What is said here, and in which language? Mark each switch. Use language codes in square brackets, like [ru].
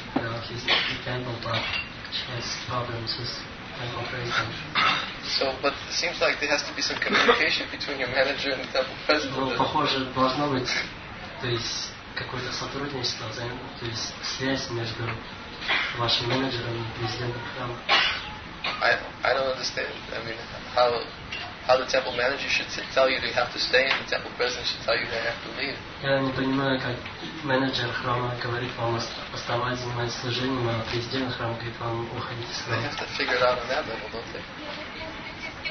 [en] Now he's dependent, but she has problems with her operation. So, but it seems like there has to be some communication between your manager and the temple president. [ru] Well, похоже, должно быть, то есть какое-то сотрудничество, то есть связь между вашим менеджером и президентом храма. [en] I don't understand. I mean, how the temple manager should tell you that you have to stay, and the temple president should tell you that you have to leave. [ru] Я не понимаю, как менеджер храма говорит вам оставаться, заниматься служением, а президент храма говорит вам уходить из храма. [en] They have to figure it out on that level, don't they?